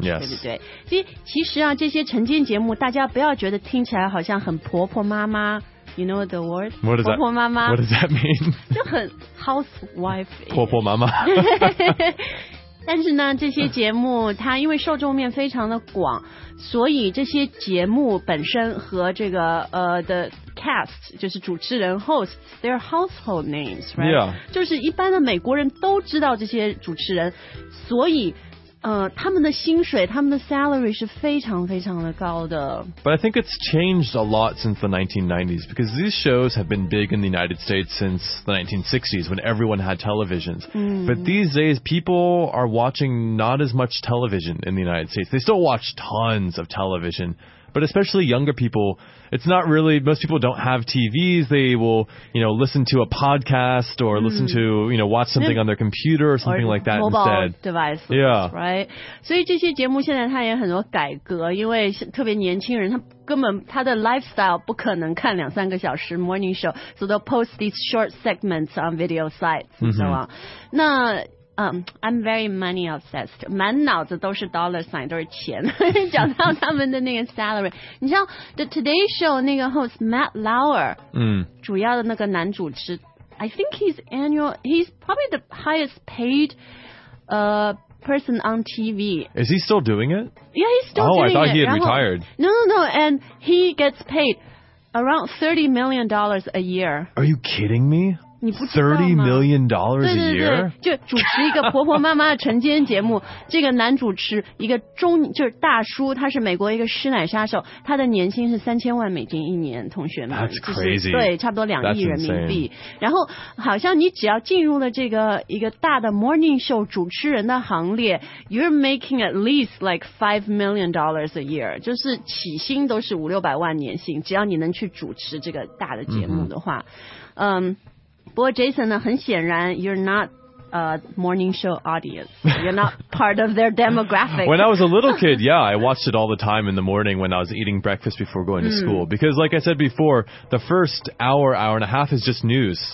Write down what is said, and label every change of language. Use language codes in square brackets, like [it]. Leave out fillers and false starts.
[en] yes. [zh] 对不对，其实啊这些晨间节目大家不要觉得听起来好像很婆婆妈妈， [en] you know the word what is [zh] 婆婆妈妈 [en] what does that mean [zh] 就很 housewife 婆婆妈妈但是呢这些节目它因为受众面非常的广，所以这些节目本身和这个的cast 就是主持人 [en] hosts their household names right、 yeah. [zh] 就是一般的美国人都知道这些主持人，所以他们的薪水他们的 salary 是非常非常的高的。 [en] But I think it's changed a lot since the 1990s because these shows have been big in the United States since the 1960s when everyone had televisions、But these days people are watching not as much television in the United States. They still watch tons of television, but especially younger people, it's not really, most people don't have TVs. They will, you know, listen to a podcast or listen to, you know, watch something on their computer or something or like that instead. Mobile devices, yeah. right? [zh] 所以这些节目现在它也很多改革，因为特别年轻人，他根本他的 lifestyle 不可能看两三个小时 morning show, [en] so they'll post these short segments on video sites and so on. [zh] 那 [en] I'm very money obsessed. [zh] 满脑子都是 dollar sign, 都是钱。讲到他们的那个 salary. [en] 你像 The Today Show 那个 host Matt Lauer, [zh] 主要的那个男主持 [en] I think he's annual, he's probably the highest paid, person on TV. Is he still doing it? Yeah, he's still doing Oh, I thought he had retired. No, and he gets paid around $30 million a year. Are you kidding me? $30 million a year? [zh] 对对对，就主持一个婆婆妈妈的晨间节目，这个男主持一个中就是大叔，他是美国一个师奶杀手，他的年薪是$3,000,000一年，同学们。 [en] That's crazy. [zh] 对，差不多2亿人民币。然后好像你只要进入了这个一个大的 morning show 主持人的行列， [en] you're making at least like $5 million a year. [zh] 就是起薪都是500,000-600,000年薪，只要你能去主持这个大的节目的话。 [en] 不过 Jason 呢， [zh] 很显然 [en] you're not a morning show audience. You're not part of their demographic. When I was a little kid, yeah, I watched it all the time in the morning when I was eating breakfast before going to school. Because like I said before, the first hour, hour and a half is just news.